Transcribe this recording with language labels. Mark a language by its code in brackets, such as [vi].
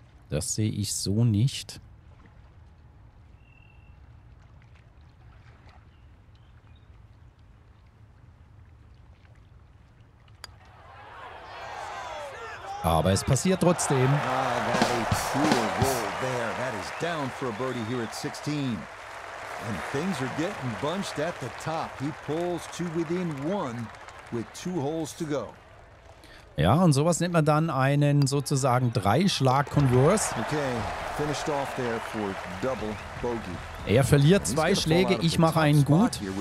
[de] Das sehe ich so nicht. Aber es passiert trotzdem. [en] Ah, that a cool roll there. That is down for a birdie here at 16. And things are getting bunched at the top. He pulls to within one with two holes to go. [de] Ja, und sowas nennt man dann einen sozusagen Dreischlag-Converse. [en] Okay, finished off there for double bogey. [de] Er verliert zwei Schläge, ich mache einen gut.